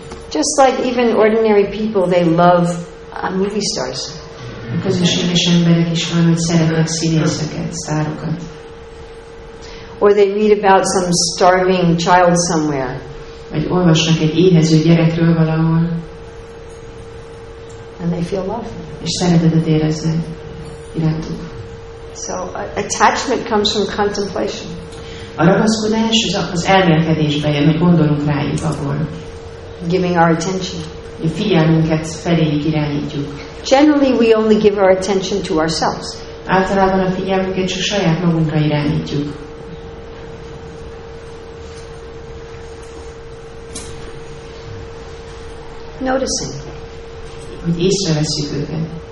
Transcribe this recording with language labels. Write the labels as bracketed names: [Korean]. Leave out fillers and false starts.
[English] Just like even ordinary people, they love movie stars. [Hungarian] Közösséges emberek is van, hogy szeretnek színészeket, sztárokat. [English] Or they read about some starving child somewhere. [Hungarian] Vagy olvasnak egy éhező gyerekről valahol. [English] And they feel love. [Hungarian] És szeretetet éreznek irántuk. [English] So attachment comes from contemplation. [Hungarian] A ragaszkodás az elmerkedésbe jön, hogy gondolunk rájuk abból. [English] Giving our attention. [Hungarian] A figyelmünket feléjük irányítjuk. [English] Generally, we only give our attention to ourselves. [Hungarian] Általában a figyelmünket csak saját magunkra irányítjuk. [English] Noticing. [Hungarian] Hogy észreveszünk őket.